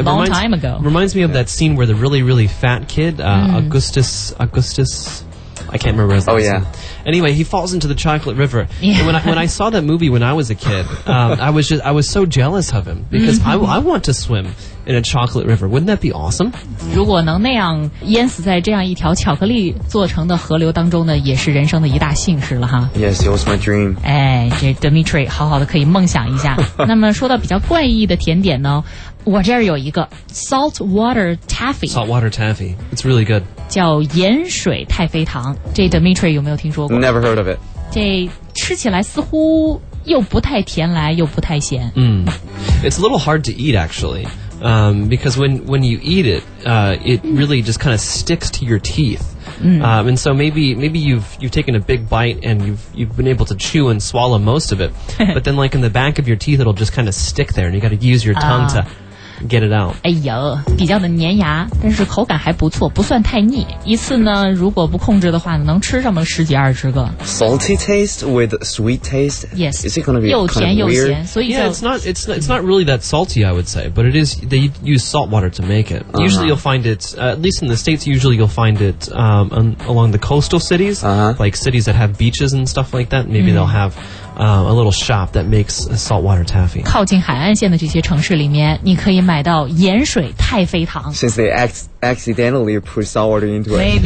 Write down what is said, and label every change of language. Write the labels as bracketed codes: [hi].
[en] a long time ago. Reminds me of that scene where the really really fat kid Augustus. I can't remember his name. Oh, yeah. Anyway, he falls into the chocolate river. Yeah. And when I saw that movie when I was a kid, I was so jealous of him because、mm-hmm. I want to swim in a chocolate river. Wouldn't that be awesome? [zh] 如果能那样淹死在这样一条巧克力做成的河流当中呢也是人生的一大幸事了哈。 [en] Yes, it was my dream. [zh] 哎，这 Dimitri 好好的可以梦想一下。那么说到比较怪异的甜点呢我这儿有一个 [en] saltwater taffy. Saltwater taffy. It's really good. [zh] 叫盐水太妃糖。这 Dimitri 有没有听说过 [en] Never heard of it. [zh] 这吃起来似乎又不太甜来又不太咸。 [en] Mm. It's a little hard to eat, actually. Because when you eat it, it really just kind of sticks to your teeth. And so maybe you've taken a big bite and you've been able to chew and swallow most of it. But then like in the back of your teeth, it'll just kind of stick there and you got to use your tongue to get it out. [zh] 哎呦，比较的粘牙，但是口感还不错，不算太腻。一次呢，如果不控制的话，能吃这么十几二十个。 [en] Salty taste with sweet taste. Yes. Is it going to be [zh] 又甜又咸？ [en] Kind of weird? So yeah, it's not really that salty, I would say, but it is. They use salt water to make it. Uh-huh. Usually, you'll find it at least in the states. Usually, you'll find it along the coastal cities, like cities that have beaches and stuff like that. Maybe they'll have. A little shop that makes saltwater taffy. [zh] 靠近海岸线的这些城市里面，你可以买到盐水太妃糖。 [en] Since they accidentally put salt water into it.